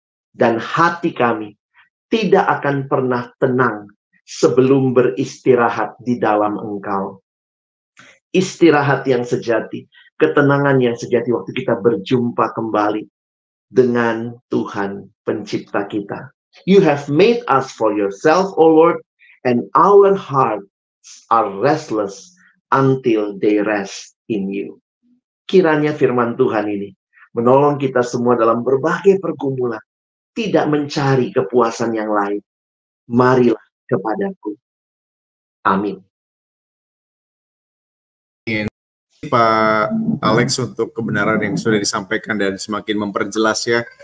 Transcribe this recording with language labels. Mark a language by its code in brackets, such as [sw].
[id] Dan hati kami tidak akan pernah tenang sebelum beristirahat di dalam Engkau." Istirahat yang sejati, ketenangan yang sejati waktu kita berjumpa kembali dengan Tuhan pencipta kita. [en] "You have made us for yourself, O Lord, and our hearts are restless until they rest in you." [id] Kiranya firman Tuhan ini menolong kita semua dalam berbagai pergumulan. Tidak mencari kepuasan yang lain. Marilah kepadaku. Amin. Amin. Pak Alex, untuk kebenaran yang sudah disampaikan dan semakin memperjelas ya.